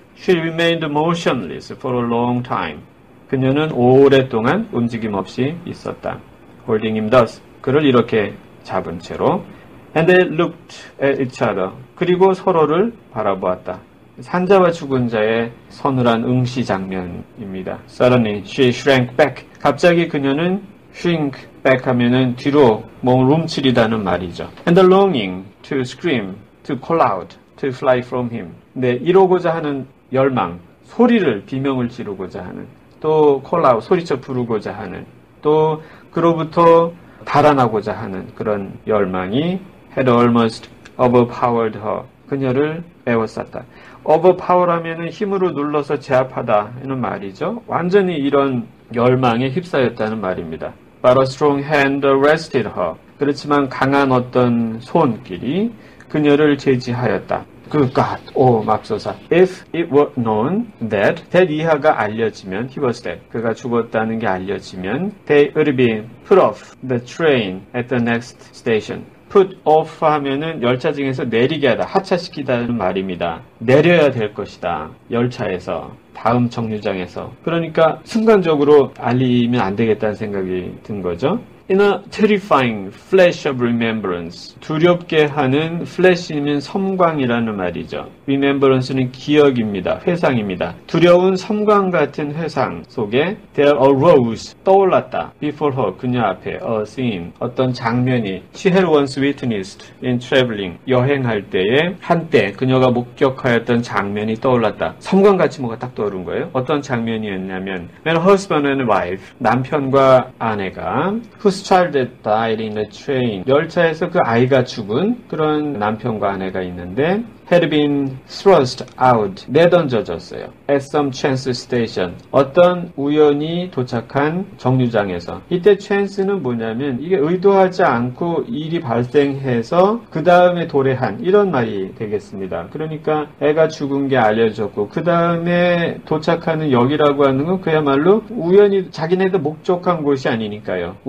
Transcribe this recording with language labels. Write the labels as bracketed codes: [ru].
[en] She remained motionless for a long time. [ko] 그녀는 오랫동안 움직임 없이 있었다. [en] Holding him thus, [ko] 그를 이렇게 잡은 채로. [en] And they looked at each other. [ko] 그리고 서로를 바라보았다. 산자와 죽은 자의 서늘한 응시 장면입니다. [en] Suddenly, she shrank back. [ko] 갑자기 그녀는 [en] shrink back [ko] 하면은 뒤로 몸을 움츠리다는 말이죠. [en] And the longing to scream, to call out, to fly from him. [ko] 네, 이러고자 하는 열망, 소리를 비명을 지르고자 하는, 또 [en] call out, [ko] 소리쳐 부르고자 하는, 또 그로부터 달아나고자 하는 그런 열망이 [en] had almost overpowered her. [ko] 그녀를 에워쌌다. Overpower 하면은 힘으로 눌러서 제압하다는 말이죠. 완전히 이런 열망에 휩싸였다는 말입니다. [en] But a strong hand arrested her. [ko] 그렇지만 강한 어떤 손길이 그녀를 제지하였다. [en] Good God, [ko] 오 맙소사. [en] If it were known that [ko] 이하가 알려지면, [en] he was dead. [ko] 그가 죽었다는 게 알려지면, [en] they would be put off the train at the next station. [ko] Put off 하면은 열차 중에서 내리게 하다, 하차시키다는 말입니다. 내려야 될 것이다. 열차에서, 다음 정류장에서. 그러니까 순간적으로 알리면 안 되겠다는 생각이 든 거죠. [en] In a terrifying flash of remembrance. [ko] 두렵게 하는 flash이면 섬광이라는 말이죠. Remembrance는 기억입니다. 회상입니다. 두려운 섬광 같은 회상 속에 [en] there arose, [ko] 떠올랐다. [en] Before her, [ko] 그녀 앞에, [en] a scene, [ko] 어떤 장면이 [en] she had once witnessed in traveling, [ko] 여행할 때에 한때 그녀가 목격하였던 장면이 떠올랐다. 섬광같이 뭐가 딱 떠오른 거예요. 어떤 장면이었냐면 [en] when husband and wife, [ko] 남편과 아내가 [en] whose child died in the train, [ko] 열차에서 그 아이가 죽은 그런 남편과 아내가 있는데 [en] had been thrust out, [ko] 내던져졌어요. [en] At some chance station, [ko] 어떤 우연히 도착한 정류장에서. 이때 chance는 뭐냐면 이게 의도하지 않고 일이 발생해서 그 다음에 도래한 이런 말이 되겠습니다. 그러니까 애가 죽은 게 알려졌고 그 다음에 도착하는 역이라고 하는 건 그야말로 우연히 자기네도 목적한 곳이 아니니까요.